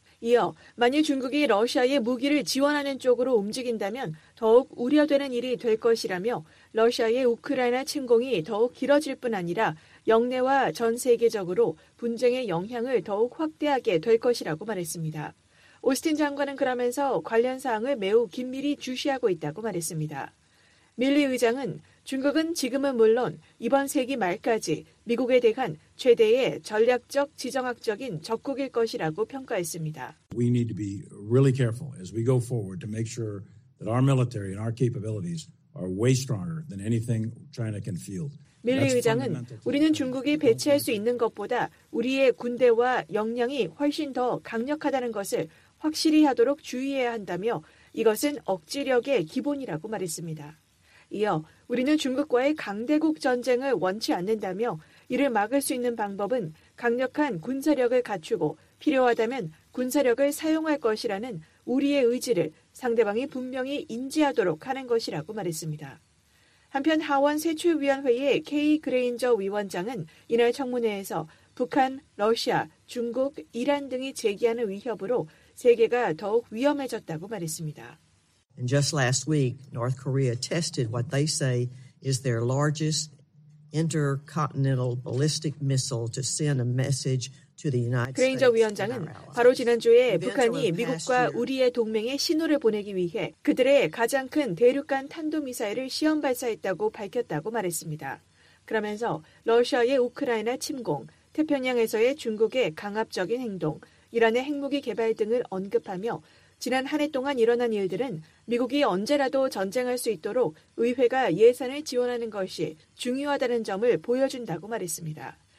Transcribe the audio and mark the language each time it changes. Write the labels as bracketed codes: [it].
[ko] 이어 만일 중국이 러시아의 무기를 지원하는 쪽으로 움직인다면 더욱 우려되는 일이 될 것이라며 러시아의 우크라이나 침공이 더욱 길어질 뿐 아니라 영내와 전 세계적으로 분쟁의 영향을 더욱 확대하게 될 것이라고 말했습니다. 오스틴 장관은 그러면서 관련 사항을 매우 긴밀히 주시하고 있다고 말했습니다. 밀리 의장은 중국은 지금은 물론 이번 세기 말까지 미국에 대한 최대의 전략적 지정학적인 적국일 것이라고 평가했습니다. [en] We need to be really careful as we go forward to make sure that our military and our capabilities are way stronger than anything China can field. [ko] 밀리 의장은 우리는 중국이 배치할 수 있는 것보다 우리의 군대와 역량이 훨씬 더 강력하다는 것을 확실히 하도록 주의해야 한다며 이것은 억지력의 기본이라고 말했습니다. 이어 우리는 중국과의 강대국 전쟁을 원치 않는다며 이를 막을 수 있는 방법은 강력한 군사력을 갖추고 필요하다면 군사력을 사용할 것이라는 우리의 의지를 상대방이 분명히 인지하도록 하는 것이라고 말했습니다. 한편 하원 세출위원회의 케이 그레인저 위원장은 이날 청문회에서 북한, 러시아, 중국, 이란 등이 제기하는 위협으로 세계가 더욱 위험해졌다고 말했습니다. [en] And just last week, North Korea tested what they say is their largest intercontinental ballistic missile to send a message to the United States. [ko] 그레인저 위원장은 바로 지난주에 북한이 미국과 우리의 동맹에 신호를 보내기 위해 그들의 가장 큰 대륙간 탄도미사일을 시험 발사했다고 밝혔다고 말했습니다. 그러면서 러시아의 우크라이나 침공, 태평양에서의 중국의 강압적인 행동, 이란의 핵무기 개발 등을 언급하며 지난 한 해 동안 일어난 일들은 미국이 언제라도 전쟁할 수 있도록 의회가 예산을 지원하는 것이 중요하다는 점을 보여준다고 말했습니다.